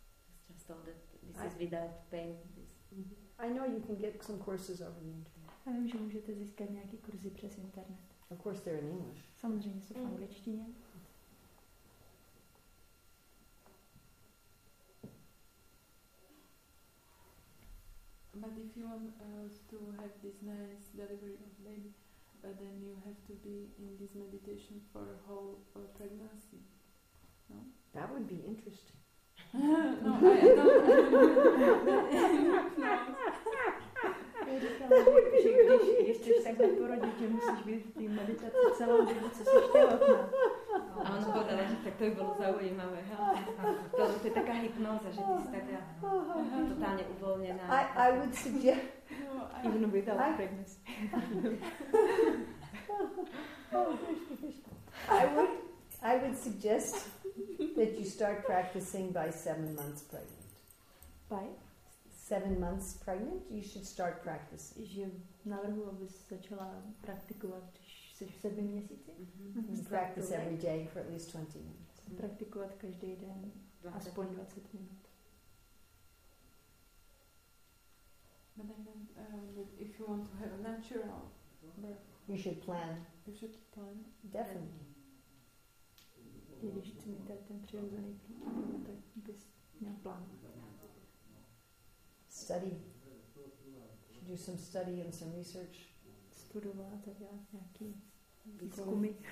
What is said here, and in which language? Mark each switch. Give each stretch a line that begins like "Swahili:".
English: It's just all that this is without pain. I know you can get some courses over the internet.
Czech: A vím, že můžete získat nějaké kurzy přes internet.
English: Of course they're in English.
Czech: Samozřejmě jsou v angličtině.
English: But if you want to have this nice delivery of baby, but then you have to be in this meditation for a whole pregnancy, no? That would be interesting. I would suggest even without pregnancy. I would suggest that you start practicing by 7 months pregnant. By 7 months pregnant, you should start practicing.
Czech: Že navrhuji, abys začala praktikovat, když jsi v 7 měsíci.
English: Mm-hmm. Practice every day for at least 20 minutes.
Czech: Mm-hmm. Praktikovat každý den, aspoň 20 minut.
English: But then, if you want to have a natural birth, you should plan. You should plan. Definitely.
Czech: Když chci mít ten přirozený plán, tak bys měl plán.
English: Study. Do some study and some research.
Czech: Studovat a dělat nějaký výzkumy.